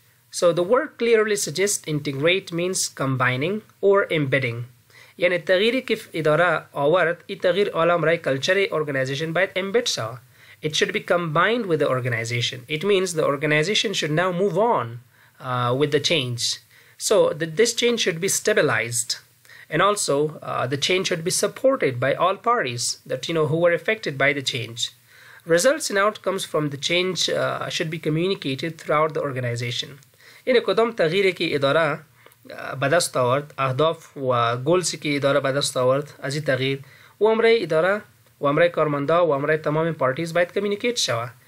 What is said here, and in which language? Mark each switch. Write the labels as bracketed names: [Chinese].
[English] So the word clearly suggests integrate means combining or embedding. [Persian] یعنی تغییری که اداره آورد ای تغییر عالم رای کلچری ارگنیزیشن باید امبید شد. [English] It should be combined with the organization. It means the organization should now move on with the change. So this change should be stabilized. And also, the change should be supported by all parties that, you know, who were affected by the change. Results and outcomes from the change should be communicated throughout the organization. [Persian] In کدام تغییری که اداره بدست آورد، اهداف و گلی که اداره بدست آورد از این تغییر، او امرای اداره و امرای کارمندا و امرای تمام پارتیز باید کمیونیکیت شوه.